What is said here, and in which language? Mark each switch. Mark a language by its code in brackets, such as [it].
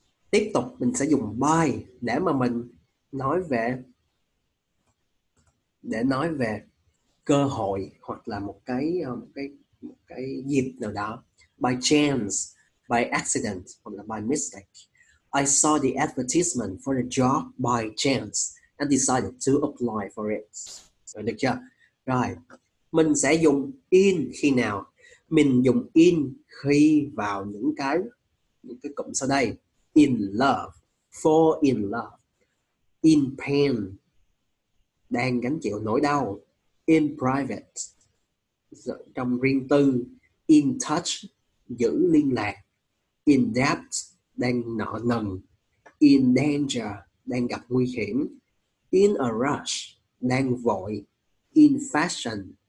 [vi] Tiếp tục mình sẽ dùng by để mà mình nói về cơ hội hoặc là một cái dịp nào đó. [en] By chance, by accident, [vi] hoặc là [en] by mistake. I saw the advertisement for the job by chance and decided to apply for it. [vi] Rồi, được chưa? Rồi, mình sẽ dùng in khi nào? Mình dùng in khi vào những cái cụm sau đây. In love, fall in love, in pain, đang gánh chịu nỗi đau, in private, trong riêng tư, in touch, giữ liên lạc, in debt, đang nợ nần, in danger, đang gặp nguy hiểm, in a rush, đang vội, in fashion,